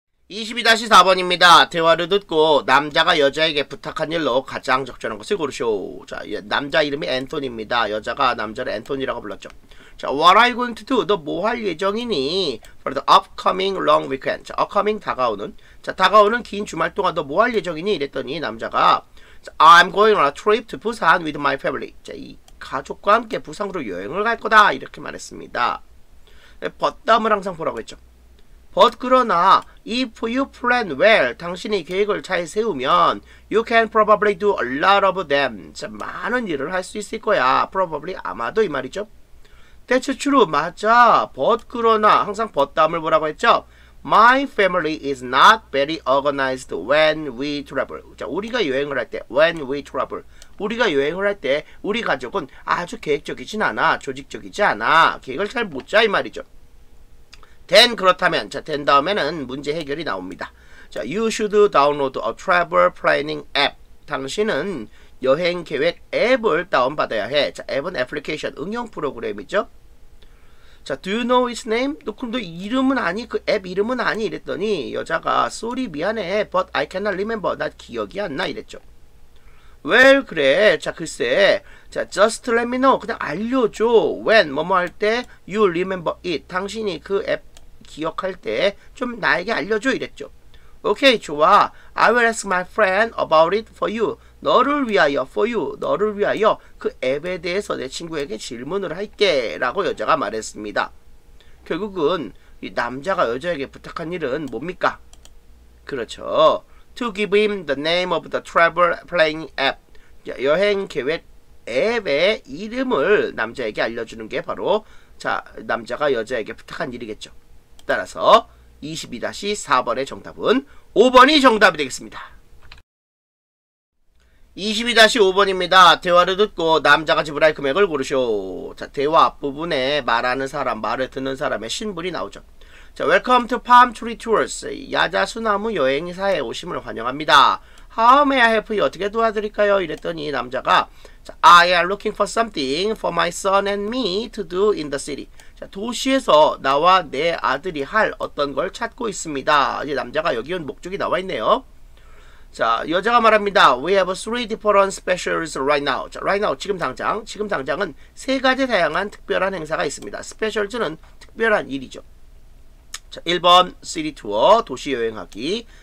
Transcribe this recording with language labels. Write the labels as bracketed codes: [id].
[ko] 22-4번입니다. 대화를 듣고 남자가 여자에게 부탁한 일로 가장 적절한 것을 고르쇼. 자, 남자 이름이 앤토니입니다. 여자가 남자를 앤토니라고 불렀죠. [en] 자, what are you going to do? [ko] 너 뭐 할 예정이니? [en] For the upcoming long weekend. [ko] 자, upcoming 다가오는. 자, 다가오는 긴 주말 동안 너 뭐 할 예정이니? 이랬더니 남자가 [en] I'm going on a trip to Busan with my family. [ko] 자, 이 가족과 함께 부산으로 여행을 갈 거다. 이렇게 말했습니다. [en] But [ko] 다음을 항상 보라고 했죠. [en] But [ko] 그러나 [en] if you plan well, [ko] 당신이 계획을 잘 세우면 [en] you can probably do a lot of them. [ko] 자, 많은 일을 할 수 있을 거야. Probably 아마도 이 말이죠. [en] That's true. [ko] 맞아. [en] But [ko] 그러나 항상 but 다음을 보라고 했죠. [en] My family is not very organized when we travel. [ko] 자, 우리가 여행을 할 때 [en] when we travel. [ko] 우리가 여행을 할 때 우리 가족은 아주 계획적이진 않아. 조직적이지 않아. 계획을 잘 못 짜 이 말이죠. [en] Then [ko] 그렇다면 자, then 다음에는 문제 해결이 나옵니다. [en] 자, you should download a travel planning app. [ko] 당신은 여행 계획 앱을 다운 받아야 해. 자, 앱은 애플리케이션 응용 프로그램이죠. 자, [en] do you know its name? [ko] 너 근데 이름은 아니. 그 앱 이름은 아니. 이랬더니 여자가 [en] sorry [ko] 미안해. [en] But I cannot remember. [ko] 나 기억이 안 나. 이랬죠. [en] Well, [ko] 그래. 자, 글쎄. [en] 자, just let me know. [ko] 그냥 알려줘. [en] When, [ko] 뭐뭐 할 때, [en] you remember it. [ko] 당신이 그 앱 기억할 때 좀 나에게 알려줘. 이랬죠. Okay, 좋아. [en] I will ask my friend about it for you. [ko] 너를 위하여, [en] for you. [ko] 너를 위하여 그 앱에 대해서 내 친구에게 질문을 할게. 라고 여자가 말했습니다. 결국은 이 남자가 여자에게 부탁한 일은 뭡니까? 그렇죠. [en] To give him the name of the travel planning app. [ko] 여행 계획 앱의 이름을 남자에게 알려주는 게 바로 자 남자가 여자에게 부탁한 일이겠죠. 따라서 22-4번의 정답은 5번이 정답이 되겠습니다. 22-5번입니다. 대화를 듣고 남자가 지불할 금액을 고르쇼. 자, 대화 앞부분에 말하는 사람, 말을 듣는 사람의 신분이 나오죠. [en] 자, Welcome to Palm Tree Tours. [ko] 야자수나무 여행사에 오심을 환영합니다. [en] How may I help you? [ko] 어떻게 도와드릴까요? 이랬더니 남자가 [en] 자, I am looking for something for my son and me to do in the city. [ko] 자, 도시에서 나와 내 아들이 할 어떤 걸 찾고 있습니다. 이제 남자가 여기는 목적이 나와 있네요. 자, 여자가 말합니다. [en] We have three different specials right now. [ko] 자, [en] right now, [ko] 지금 당장. 지금 당장은 세 가지 다양한 특별한 행사가 있습니다. Specials는 특별한 일이죠. 자, 1번, [en] city tour, [ko] 도시 여행하기.